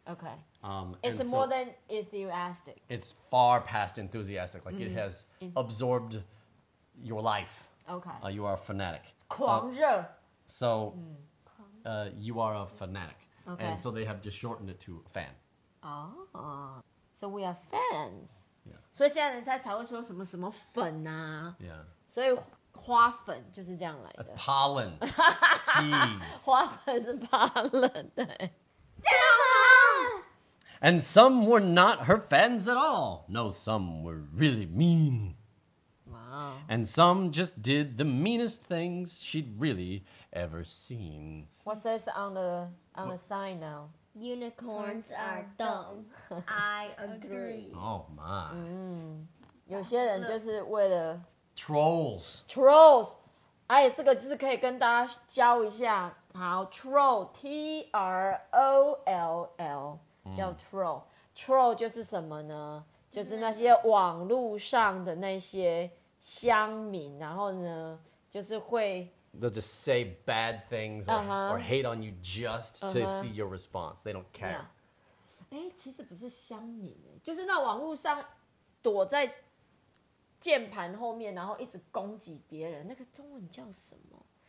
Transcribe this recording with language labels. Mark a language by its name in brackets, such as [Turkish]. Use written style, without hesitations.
[English] Okay. It's more than enthusiastic. It's far past enthusiastic. Like it has absorbed your life. Okay. You are a fanatic. [Chinese] 狂热. [English] So you are a fanatic. Okay. And so they have just shortened it to fan. Oh. So we are fans. Yeah. [Chinese] 所以现在人家才会说什么什么粉啊 [English] Yeah. [Chinese] 所以花粉就是这样来的 [English] That's pollen. Jeez. [Chinese] 花粉是 pollen, 对 [English] Thelma! And some were not her fans at all. No, some were really mean. Wow. And some just did the meanest things she'd really ever seen. What's this on the sign now? Unicorns are dumb. I agree. Oh my. [Chinese] 有些人就是为了 [English] Trolls. Trolls. [Chinese] 哎，这个字可以跟大家教一下。好 ，troll, T R O L L, 叫 troll. Troll 就是什么呢？就是那些网络上的那些乡民，然后呢，就是会。 [English] They'll just say bad things or,or hate on you just to see your response. They don't care. [Chinese] 欸,其实不是乡民欸,就是那网络上躲在键盘后面然后一直攻击别人,那个中文叫什么?